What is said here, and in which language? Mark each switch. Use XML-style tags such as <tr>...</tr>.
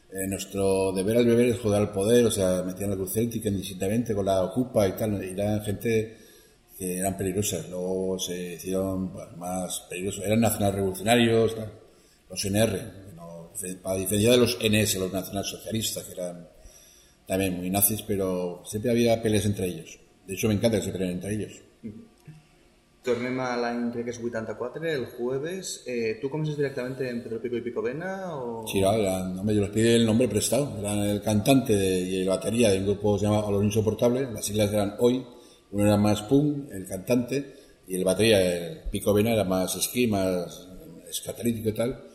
<es>nuestro deber al beber es joder al poder, o sea, metían la cruz céltica indistintamente con la ocupa y tal, y eran gente que eran peligrosas, luego se hicieron bueno, más peligrosos, eran nacionalrevolucionarios, tal. Los NR, no, para diferencia de los NS, los nacionalsocialistas, que eran también muy nazis, pero siempre había peleas entre ellos, de hecho me encanta que se peleen entre ellos.</es> <ca>Tornem a l'any, crec que és 84, el jueves. ¿Tú comences directamente entre el Pico y Pico Vena? O...</ca> <es>Sí, ahora, hombre, yo les pide el nombre prestado. Eran el cantante y el batería de un grupo que se llama Olor Insoportable. Las siglas eran Hoy. Uno era más punk, el cantante, y el batería, el Pico Vena, era más esquí, más escatalítico y tal.</es>